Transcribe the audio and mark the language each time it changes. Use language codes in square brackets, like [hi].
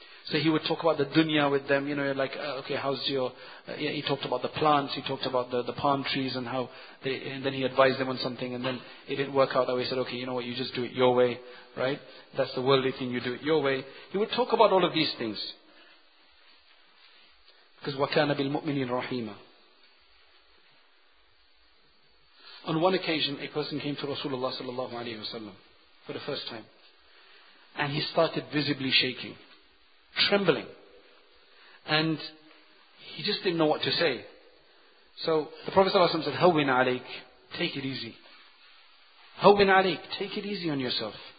[en] So he would talk about the dunya with them, you know, like, okay, how's your... Yeah, he talked about the plants, he talked about the palm trees and how... And then he advised them on something, and then it didn't work out that way. He said, okay, you know what, you just do it your way, right? That's the worldly thing, you do it your way. He would talk about all of these things. [ar] Because وَكَانَ بِالْمُؤْمِنِينَ رَحِيمًا. [en] On one occasion, a person came to Rasulullah sallallahu alayhi wa sallam for the first time. And he started visibly shaking, trembling. And he just didn't know what to say. So the Prophet sallallahu alayhi wa sallam said, [ar] هَوِّنْ عَلَيْكَ, [en] take it easy. هَوِّنْ عَلَيْكَ, take it easy on yourself.